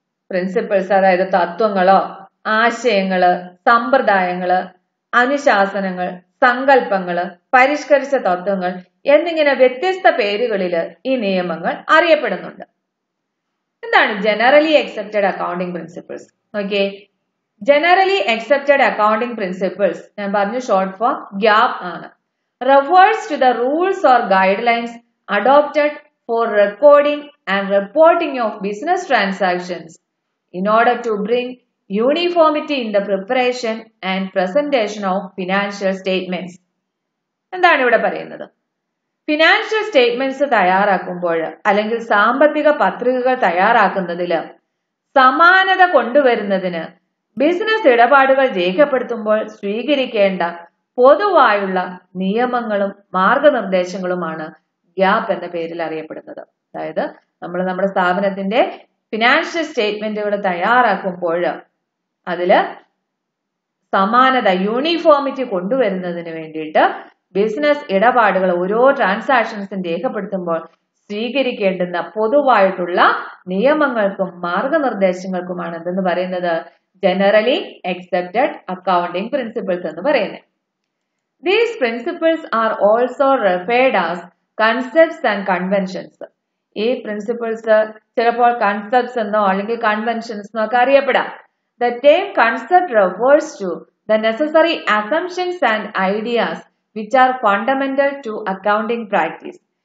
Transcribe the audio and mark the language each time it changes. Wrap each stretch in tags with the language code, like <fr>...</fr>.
<ml>Principles അതായത് തത്വങ്ങളോ ആശയങ്ങള്, സമ്പ്രദായങ്ങള്, അനുശാസനങ്ങൾ, സങ്കല്പങ്ങള്, പരിഷ്കരിച്ച തത്വങ്ങൾ എന്നിങ്ങനെ വ്യത്യസ്ത പേരുകളില് ഈ നിയമങ്ങൾ അറിയപ്പെടുന്നുണ്ട്. എന്താണ് ജനറലി അക്സെപ്റ്റഡ് അക്കൗണ്ടിംഗ് പ്രിൻസിപ്പിൾസ്? നോക്കിയേ, ജനറലി അക്സെപ്റ്റഡ് അക്കൗണ്ടിംഗ് പ്രിൻസിപ്പിൾസ് ഞാൻ പറഞ്ഞു ഷോർട്ട് ഫോം ഗ്യാപ് ആണ്.</ml> <en>Refers to the rules or guidelines adopted for recording and reporting of business transactions in order to bring uniformity in the preparation and presentation of financial statements.</en> <ml>എന്താണ് ഇവിടെ പറയുന്നത്? Financial statements തയ്യാറാക്കുമ്പോൾ അല്ലെങ്കിൽ സാമ്പത്തിക പത്രികകൾ തയ്യാറാക്കുന്നതിൽ സമാനത കൊണ്ടുവരുന്നതിന് ബിസിനസ് ഇടപാടുകൾ രേഖപ്പെടുത്തുമ്പോൾ സ്വീകരിക്കേണ്ട പൊതുവായുള്ള നിയമങ്ങളും മാർഗനിർദ്ദേശങ്ങളുമാണ് ഗ്യാപ് എന്ന പേരിൽ അറിയപ്പെടുന്നത്. അതായത് നമ്മൾ നമ്മുടെ സ്ഥാപനത്തിന്റെ ഫിനാൻഷ്യൽ സ്റ്റേറ്റ്മെന്റുകൾ തയ്യാറാക്കുമ്പോൾ അതില് സമാനത യൂണിഫോമിറ്റി കൊണ്ടുവരുന്നതിന് വേണ്ടിയിട്ട് ബിസിനസ് ഇടപാടുകൾ ഓരോ ട്രാൻസാക്ഷൻസും രേഖപ്പെടുത്തുമ്പോൾ സ്വീകരിക്കേണ്ടുന്ന പൊതുവായിട്ടുള്ള നിയമങ്ങൾക്കും മാർഗനിർദ്ദേശങ്ങൾക്കുമാണ് എന്തെന്ന് പറയുന്നത്? ജനറലി അക്സെപ്റ്റഡ് അക്കൗണ്ടിംഗ് പ്രിൻസിപ്പിൾസ് എന്ന് പറയുന്നത്.</ml> <en>These principles are also referred as concepts and conventions.</en> <ml>ഈ principles ചിലപ്പോൾ concepts എന്നോ അല്ലെങ്കിൽ conventions എന്നോ ഒക്കെ അറിയപ്പെടാം.</ml> <en>The term concept refers to the necessary assumptions and ideas which are fundamental to accounting practice.</en>